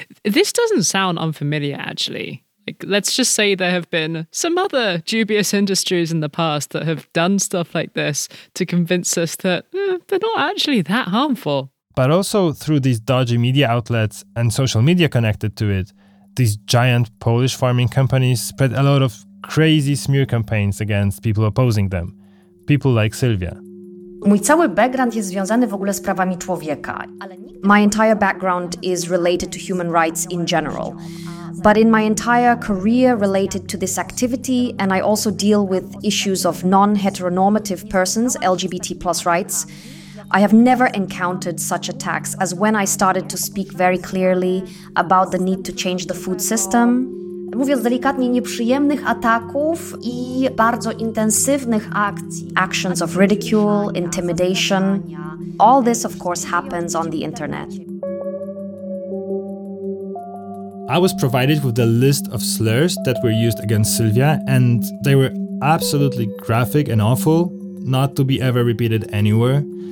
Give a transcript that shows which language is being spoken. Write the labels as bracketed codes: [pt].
[en] This doesn't sound unfamiliar, actually. Like, let's just say there have been some other dubious industries in the past that have done stuff like this to convince us that they're not actually that harmful. But also through these dodgy media outlets and social media connected to it, these giant Polish farming companies spread a lot of crazy smear campaigns against people opposing them. People like Sylwia. [pl] Mój cały background jest związany w ogóle z prawami człowieka. [en] My entire background is related to human rights in general. But in my entire career related to this activity, and I also deal with issues of non-heteronormative persons, LGBT plus rights, I have never encountered such attacks as when I started to speak very clearly about the need to change the food system. [pl] Mówiąc delikatnie, nieprzyjemnych ataków i bardzo intensywnych akcji. [en] Actions of ridicule, intimidation. All this, of course, happens on the internet. I was provided with the list of slurs that were used against Sylwia, and they were absolutely graphic and awful, not to be ever repeated anywhere.